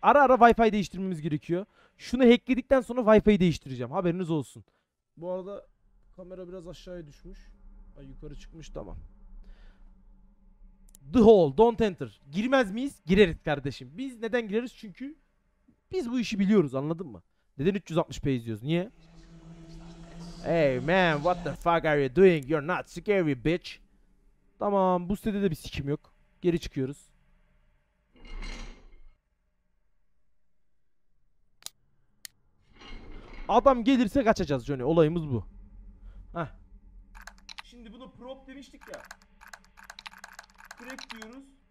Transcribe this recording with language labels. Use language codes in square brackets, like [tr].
[tr] Ara ara Wi-Fi değiştirmemiz gerekiyor. Şunu hackledikten sonra Wi-Fi değiştireceğim. Haberiniz olsun. Bu arada kamera biraz aşağıya düşmüş. Ay, yukarı çıkmış. Tamam. [en] The hole, don't enter. [tr] Girmez miyiz? Gireriz kardeşim. Biz neden gireriz? Çünkü biz bu işi biliyoruz, anladın mı? Neden 360p izliyoruz? Niye? [en] Hey man, what the fuck are you doing? You're not scary, bitch. [tr] Tamam, bu sitede de bir sikim yok. Geri çıkıyoruz. Adam gelirse kaçacağız Johnny. Olayımız bu. Heh. Şimdi bunu prop demiştik ya. Crack diyoruz.